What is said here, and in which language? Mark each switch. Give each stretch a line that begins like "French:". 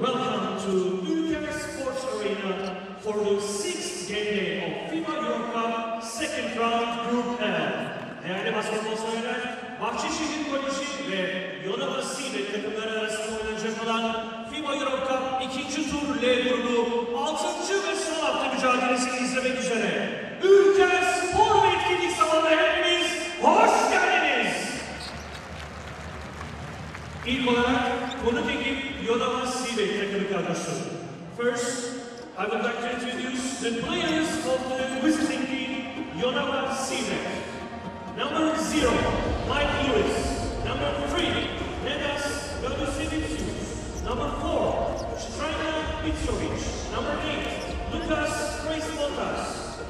English: Welcome to Ülker Sports Arena for the sixth game day of FIFA Euro Cup second round Group F.
Turkish: Değerli basketbol severler, Bahçeşehir Koleji ve Yonova Sivet takımları arasında oynanacak olan FIFA Euro Cup ikinci tur L grubu 6. ve son hafta mücadelesini izlemek üzere Ülker Spor ve Etkinlik Salonu'na hepiniz hoş geldiniz. İlk olarak konuk ekip Yonova Sivet takımı kadrosu.
English: First, I would like to introduce the players of the visiting team Yonova Sivet. Number 0, Mike Lewis. Number 3, Nedas Gavusevicius. Number 4, Strana Mitrovic. Number 8, Lucas Grace Botas.